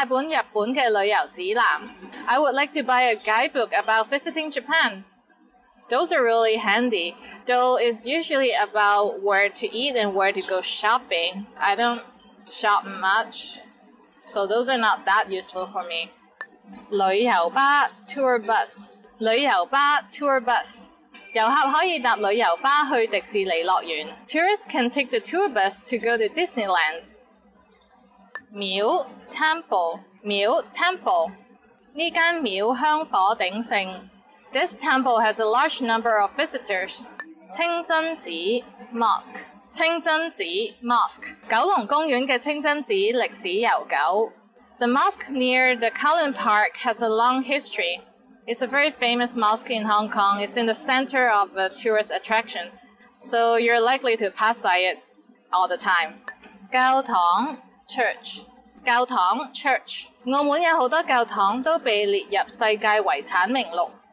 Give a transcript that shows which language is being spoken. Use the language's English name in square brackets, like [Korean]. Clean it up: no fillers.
[Cantonese] 我想买本日本的旅游指南. [English] I would like to buy a guidebook about visiting Japan. Those are really handy, though it's usually about where to eat and where to go shopping. I don't shop much, so those are not that useful for me. [Cantonese] 旅游巴, [English] tour bus. 旅游巴, tour bus. [Cantonese] 游客可以搭旅游巴去迪士尼乐园. [English] Tourists can take the tour bus to go to Disneyland. [Cantonese] 庙, [English] temple. [Cantonese] 庙, temple. 这间庙香火鼎盛. [English] This temple has a large number of visitors. [Cantonese] 清真寺, [English] mosque. 清真寺, mosque. [Cantonese] 九龙公园的清真寺历史悠久. [English] The mosque near the Kowloon Park has a long history. It's a very famous mosque in Hong Kong. It's in the center of a tourist attraction, so you're likely to pass by it all the time. [Cantonese] 教堂, [English] church. 教堂, church. [Cantonese] 澳门有很多教堂都被列入世界遗产名录.